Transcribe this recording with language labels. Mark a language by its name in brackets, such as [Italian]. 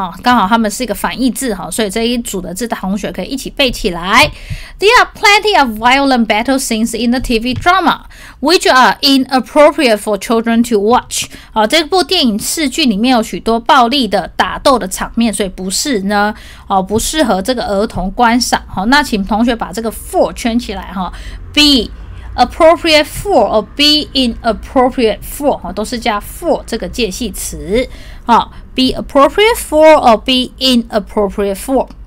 [Chinese] 刚好它们是一个反义字，所以这一组的字同学可以一起背起来。 [English] There are plenty of violent battle scenes in the TV drama which are inappropriate for children to watch。 [Chinese] 这部电影视剧里面有许多暴力的打斗的场面，所以不是呢、不是适合这个儿童观赏。那请同学把这个 for 圈起来， [English] be appropriate for or be inappropriate for [Chinese] 都是加 for 这个介系词， be appropriate for or be inappropriate for。